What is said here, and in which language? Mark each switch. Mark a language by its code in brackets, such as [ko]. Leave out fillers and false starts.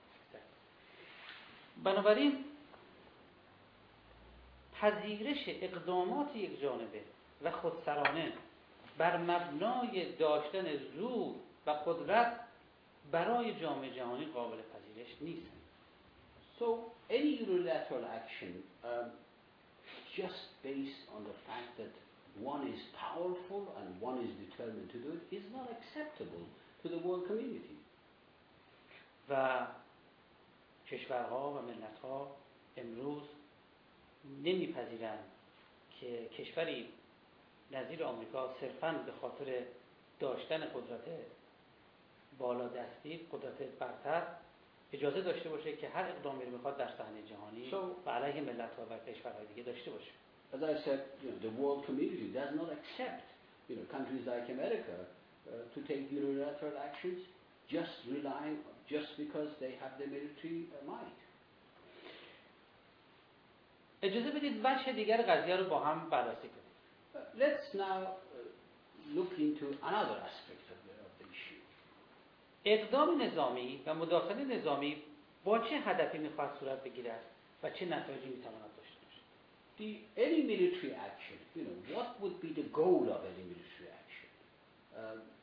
[en] Exactly. [fa] بنابراین پذیرش اقدامات یک جانبه و خودسرانه بر مبنای داشتن زور و قدرت برای جامعه جهانی قابل پذیرش نیست. [en] So any unilateral action just based on the fact that one is powerful and one is determined to do it is not acceptable to the world community. [fa] و کشورها و ملت‌ها امروز نمیپذیرند که کشوری نظیر آمریکا صرفاً به خاطر داشتن قدرت بالادستی، قدرت برتر اجازه داشته باشه که هر اقدامی رو بخواد در صحنه جهانی علیه ملت‌ها و کشورهای دیگه داشته باشه. [en] As I said, you know, the world community does not accept, you know, countries like America to take unilateral actions just because they have the military might. [fa] اجازه بدید وجه دیگر قضیه رو با هم بررسی کنیم. [en] Let's now look into another aspect of the issue. [fa] اقدام نظامی و مداخله نظامی با چه هدفی می‌خواهد صورت بگیرد و چه نتایجی می‌تواند داشته باشد؟ [en] The any military action, you know, what would be the goal of any military action?